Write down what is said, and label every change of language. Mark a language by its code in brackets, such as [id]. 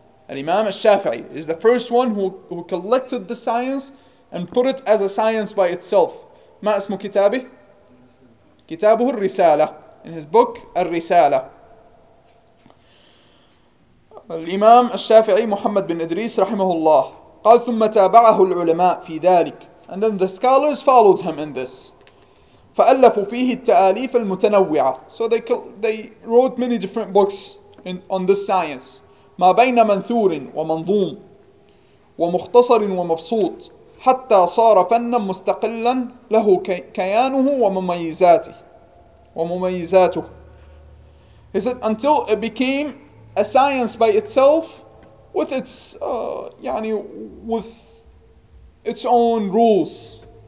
[en] الإمام الشافعي is the first one who collected the science and put it as a science by itself. [ar] ما اسم كتابه؟ كتابه الرسالة. [en] In his book, الرسالة. [ar] الإمام الشافعي محمد بن إدريس رحمه الله قال ثم تابعه العلماء في ذلك. [en] And then the scholars followed him in this. [ar] فألفوا فيه التآليف المتنوعة. [en] So they wrote many different books on this science. [ar] ما بين منثور ومنظوم ومختصر ومبسوط حتى صار فنا مستقلا له كيانه ومميزاته ومميزاته. [en] He said until it became a science by itself with its يعني with its own rules.